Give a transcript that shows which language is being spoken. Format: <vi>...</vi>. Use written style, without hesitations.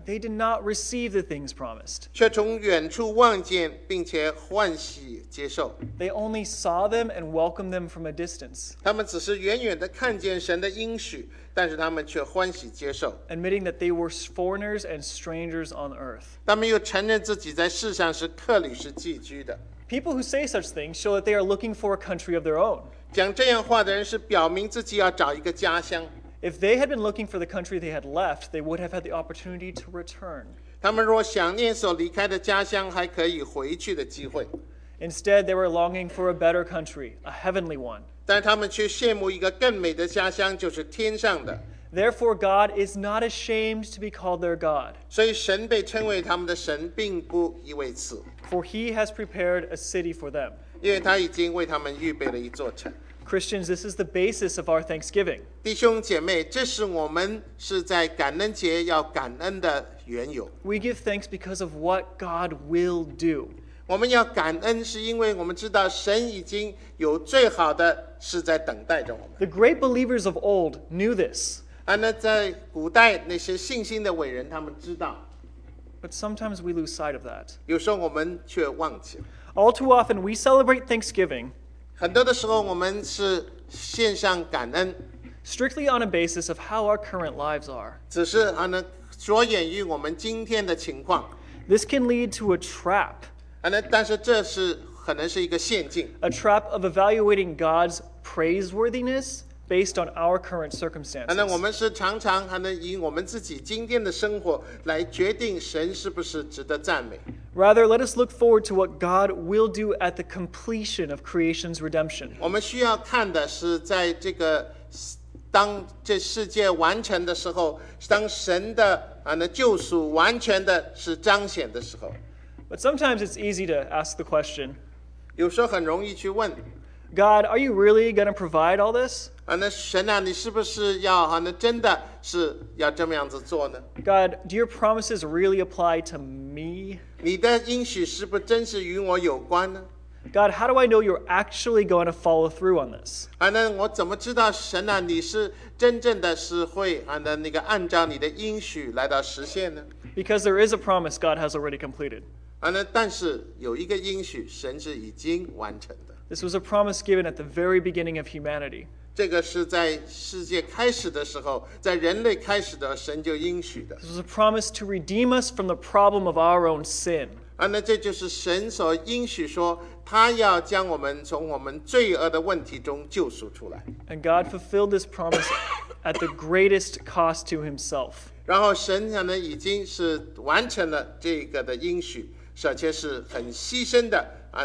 <en>They did not receive the things promised.</en> <zh>却从远处望见，并且欢喜接受。</zh> <en>They only saw them and welcomed them from a distance.</en> <zh>他们只是远远地看见神的应许，但是他们却欢喜接受。</zh> <en>Admitting that they were foreigners and strangers on earth.</en> <zh>他们又承认自己在世上是客旅，是寄居的。</zh> <en>People who say such things show that they are looking for a country of their own.</en> <zh>讲这样话的人是表明自己要找一个家乡。</zh> <en>If they had been looking for the country they had left, they would have had the opportunity to return.</en> <zh>他们若想念所离开的家乡，还可以回去的机会。</zh> <en>Instead, they were longing for a better country, a heavenly one.</en> <zh>但他们却羡慕一个更美的家乡，就是天上的。</zh> <en>Therefore, God is not ashamed to be called their God.</en> <zh>所以神被称为他们的神，并不以为耻。</zh> <en>For he has prepared a city for them.</en> <zh>因为他已经为他们预备了一座城。</zh> <en>Christians, this is the basis of our thanksgiving.</en> <zh>弟兄姐妹，这是我们是在感恩节要感恩的缘由。</zh> <en>We give thanks because of what God will do.</en> <zh>我们要感恩是因为我们知道神已经有最好的事在等待着我们。</zh> <en>The great believers of old knew this.</en> <zh>那在古代那些信心的伟人他们知道。</zh> <en>But sometimes we lose sight of that.</en> <zh>有时候我们却忘记。</zh> <en>All too often we celebrate Thanksgiving.</en> <zh>很多的时候我们是献上感恩。</zh> <en>Strictly on a basis of how our current lives are.</en> <zh>只是着眼于我们今天的情况。</zh> <en>This can lead to a trap.</en> <zh>但是这是可能是一个陷阱。</zh> <en>A trap of evaluating God's praiseworthiness based on our current circumstances.</en> <zh>我们是常常以我们自己今天的生活来决定神是不是值得赞美。</zh> <en>Rather, let us look forward to what God will do at the completion of creation's redemption.</en> <zh>我们需要看的是在这个当这世界完成的时候，当神的救赎完全的是彰显的时候。</zh> <en>But sometimes it's easy to ask the question.</en> <zh>有时候很容易去问。</zh> <en>God, are you really going to provide all this?</en> <zh>神啊，你是不是要真的是要这么样子做呢？</zh> <en>God, do your promises really apply to me?</en> <zh>你的应许是不是真是与我有关呢？</zh> <en>God, how do I know you're actually going to follow through on this?</en> <zh>我怎么知道神啊，你是真正的是会按照你的应许来到实现呢？</zh> <en>Because there is a promise God has already completed.</en> <zh>但是有一个应许神是已经完成的。</zh> <en>This was a promise given at the very beginning of humanity.</en> <zh>这个是在世界开始的时候，在人类开始的神就应许的。</zh> <en>This was a promise to redeem us from the problem of our own sin.</en> <zh>这就是神所应许说，他要将我们从我们罪恶的问题中救赎出来。</zh> <en>And God fulfilled this promise at the greatest cost to himself.</en> <zh>然后神已经是完成了这个的应许，而且是很牺牲的。</zh>